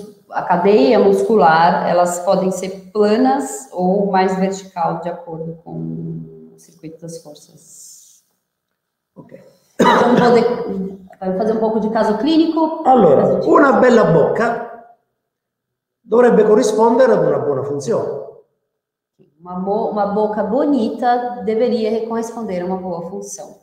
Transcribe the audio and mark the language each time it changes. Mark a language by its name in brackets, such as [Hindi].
[Portuguese] A cadeia muscular, elas podem ser planas ou mais vertical, de acordo com o circuito das forças. Ok. Então, vai fazer um pouco de caso clínico? [Italian] Allora, una bella bocca dovrebbe corrispondere ad una buona funzione. [Portuguese] Uma boca bonita deveria corresponder a uma boa função.